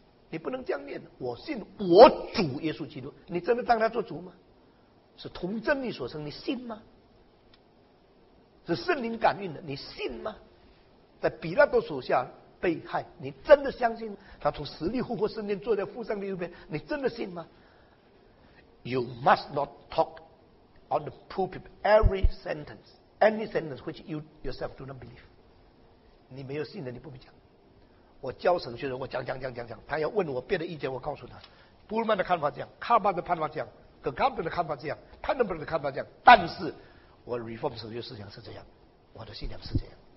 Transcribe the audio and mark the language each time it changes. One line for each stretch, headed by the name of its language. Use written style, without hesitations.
Chinese: 你不能这样念，我信我主耶稣基督，你真的当他做主吗？是同真理所生，你信吗？是圣灵感应的，你信吗？在比拉多手下被害，你真的相信他从死里复活升天坐在父上帝右边，你真的信吗？
English: You must not talk on the pulpit every sentence any sentence which you yourself do not believe。
Chinese: 你没有信的你不必讲。我教神学人，我讲，他要问我别的意见，我告诉他布鲁曼的看法这样，卡巴的判法这样，格冈本的看法这样，潘德伯的看法这样，但是我 reform 神学思想是这样，我的信仰是这样。